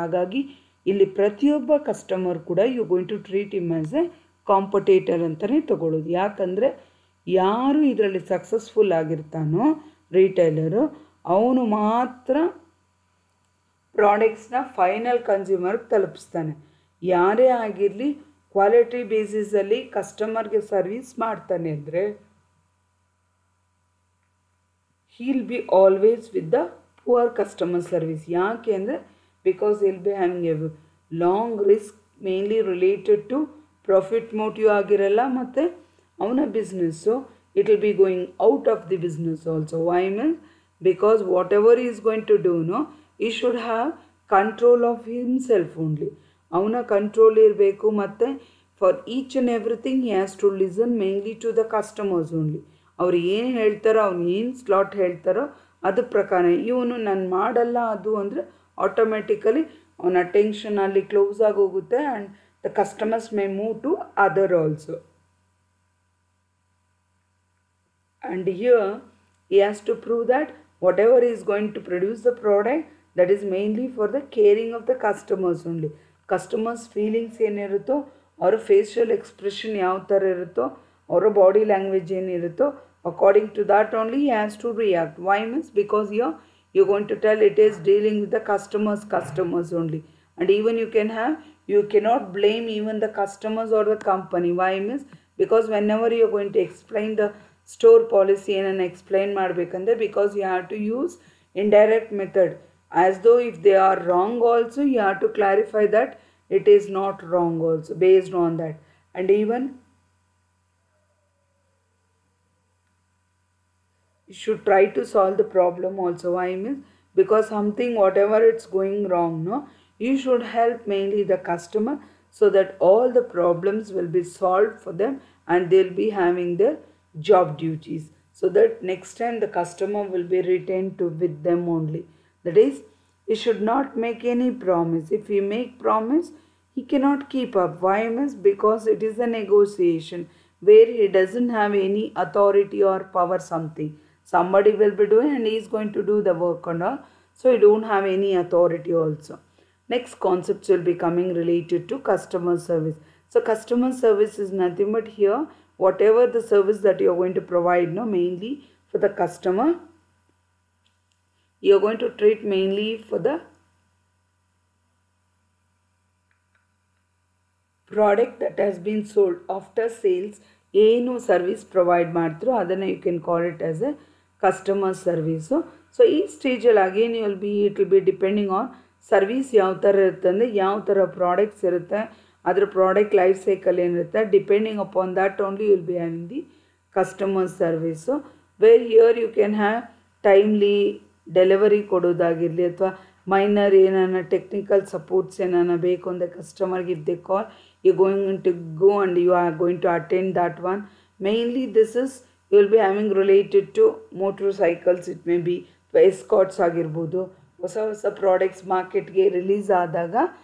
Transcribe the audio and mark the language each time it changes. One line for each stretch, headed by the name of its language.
Kannada: Hagagi illi pratiyobba customer kuda
English: you are going to treat him as a competitor
Kannada: antane tagolodu. Yakandre yaru idralli successful agirtano retailer avunu matra ಪ್ರಾಡಕ್ಟ್ಸ್ನ final ಕನ್ಸ್ಯೂಮರ್ಗೆ ತಲುಪಿಸ್ತಾನೆ. ಯಾರೇ ಆಗಿರಲಿ quality ಬೇಸಿಸಲ್ಲಿ ಕಸ್ಟಮರ್ಗೆ service ಮಾಡ್ತಾನೆ ಅಂದರೆ
English: He will be always with the poor customer service.
Kannada: ಯಾಕೆ ಅಂದರೆ
English: because he'll be having a long risk mainly related to profit motive
Kannada: ಆಗಿರಲ್ಲ, ಮತ್ತು ಅವನ business
English: It will be going out of the business also. Why mean because what is going to do no he should have control of himself only.
Kannada: ಅವನ control ಇರಬೇಕು, ಮತ್ತು
English: For each and everything he has to listen mainly to the customers only.
Kannada: ಅವ್ರು ಏನು ಹೇಳ್ತಾರೋ, ಅವ್ನು ಏನು slot ಹೇಳ್ತಾರೋ ಅದ್ರ ಪ್ರಕಾರ ಇವನು ನಾನು ಮಾಡಲ್ಲ ಅದು ಅಂದರೆ ಆಟೋಮೆಟಿಕಲಿ ಅವನ ಅಟೆನ್ಷನ್ ಅಲ್ಲಿ ಕ್ಲೋಸ್ ಆಗಿ ಹೋಗುತ್ತೆ
English: And the customers may move to other also. And here he has to prove that whatever is going to produce the product that is mainly for the caring of the customers only. Customers feelings en irutho or facial expression
Kannada: yav tar irutho
English: or body language en irutho according to that only he has to react. Why means because you're going to tell it is dealing with the customers only, and even you cannot blame even the customers or the company. Why means because whenever you're going to explain the store policy
Kannada: ಏನನ್ನು explain ಮಾಡಬೇಕಂದ್ರೆ
English: Because you have to use in direct method as though if they are wrong also you have to clarify that it is not wrong also based on that. And even you should try to solve the problem also. Why means because something what it's going wrong no you should help mainly the customer so that all the problems will be solve for them and they will be having the job duties so that next time the customer will be retained to with them only. That is he should not make any promise. If he make promise he cannot keep up. Why means because it is a negotiation where he doesn't have any authority or power. Something somebody will be doing and he is going to do the work and all, so he don't have any authority also. Next concepts will be coming related to customer service. So customer service is nothing but here whatever the service that you are going to provide, no, mainly for the customer, you are going to treat mainly for the product that has been sold after sales. Any service provide
Kannada: madthro adana
English: you can call it as a customer service. So
Kannada: so ಈ ಸ್ಟೇಜಲ್ಲಿ
English: again you'll be it will be depending on service
Kannada: ಯಾವ ಥರ ಇರುತ್ತೆ ಅಂದರೆ ಯಾವ ಥರ products ಇರುತ್ತೆ ಅದರ ಪ್ರಾಡಕ್ಟ್ ಲೈಫ್ ಸೈಕಲ್ ಏನಿರುತ್ತೆ
English: depending upon that only you'll be having the customer service where here you can have timely delivery
Kannada: ಕೊಡೋದಾಗಿರಲಿ ಅಥವಾ ಮೈನರ್ ಏನಾನ ಟೆಕ್ನಿಕಲ್ ಸಪೋರ್ಟ್ಸ್ ಏನಾನ ಬೇಕು ಅಂದರೆ ಕಸ್ಟಮರ್ಗೆ
English: if they call you going to go and you are going to attend that one mainly this is you will be having related to motor cycles it may be Escorts
Kannada: ಆಗಿರ್ಬೋದು ಹೊಸ ಹೊಸ products ಮಾರ್ಕೆಟ್ಗೆ release ಆದಾಗ